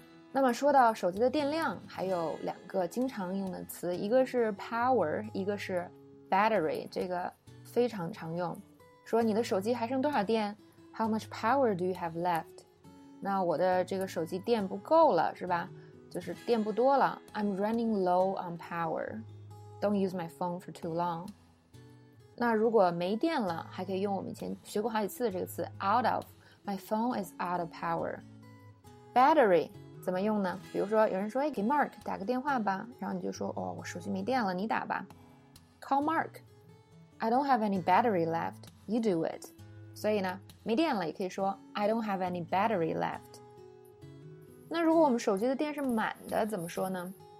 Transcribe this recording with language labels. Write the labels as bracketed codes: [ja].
[zh] 那么说到手机的电量，还有两个经常用的词，一个是 power， 一个是 battery， 这个非常常用，说你的手机还剩多少电 ？ [en] How much power do you have left？ [zh] 那我的这个手机电不够了，是吧？就是电不多了。 [en] I'm running low on power. Don't use my phone for too long. [zh] 那如果没电了，还可以用我们以前学过好几次的这个词 out of. [en] My phone is out of power. Battery [zh] 怎么用呢？比如说有人说，哎，给 Mark 打个电话吧，然后你就说，哦，我手机没电了，你打吧。 [en] Call Mark. I don't have any battery left. You do it. [zh] 所以呢，没电了也可以说 [en] I don't have any battery left. [zh] 那如果我们手机的电是满的怎么说呢？